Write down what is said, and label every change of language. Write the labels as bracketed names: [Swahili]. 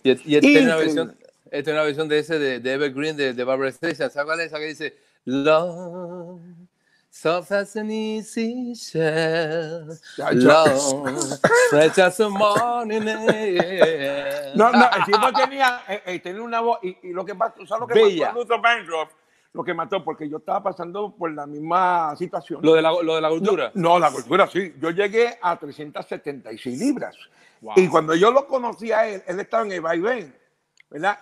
[Spanish] Y esta es una versión de ese de Evergreen de Barbra Streisand. ¿Sabes cuál es esa que dice? [English] Love, soft as an easy shell. Love, fresh as a morning air. [Spanish] No, el tipo tenía una voz, y lo que pasa, ¿sabes lo que pasa con Luther Vandross? Lo que mató, porque yo estaba pasando por la misma situación. ¿Lo de la gordura? No, la gordura, sí. Yo llegué a 376 libras. Wow. Y cuando yo lo conocí a él estaba en el vaivén, ¿verdad?